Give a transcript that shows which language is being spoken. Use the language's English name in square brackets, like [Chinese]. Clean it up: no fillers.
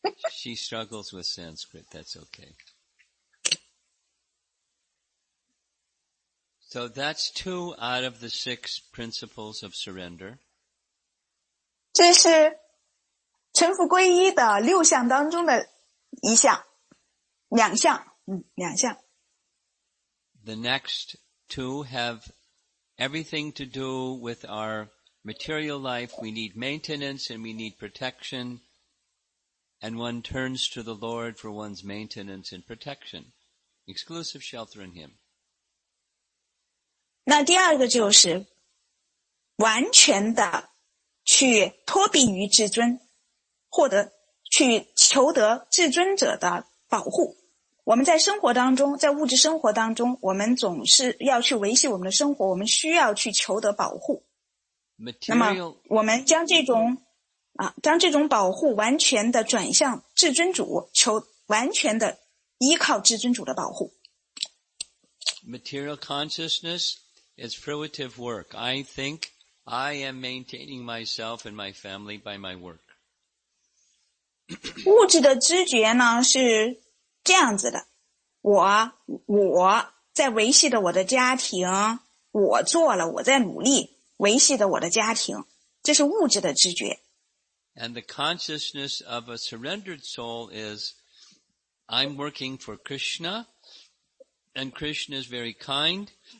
[English] She struggles with Sanskrit, that's okay. So that's two out of the six principles of surrender. [Chinese] 这是臣服皈依的六项当中的一项，两项，两项。 [English] The next two have everything to do with our material life. We need maintenance and we need protection. And one turns to the Lord for one's maintenance and protection. Exclusive shelter in Him. [Chinese] 那第二个就是完全的去托庇于至尊，获得去求得至尊者的保护。我们在生活当中，在物质生活当中，我们总是要去维系我们的生活，我们需要去求得保护。 [English] Material, [Chinese] 那么我们将这种将这种保护完全的转向至尊主，求完全的依靠至尊主的保护。 [English] Material consciousness is fruitive work. I think I am maintaining myself and my family by my work. [Chinese] 物质的知觉呢是这样子的，我在维系着我的家庭，我做了，我在努力维系着我的家庭，这是物质的知觉。 [English] And the consciousness of a surrendered soul is, I'm working for Krishna, and Krishna is very kind.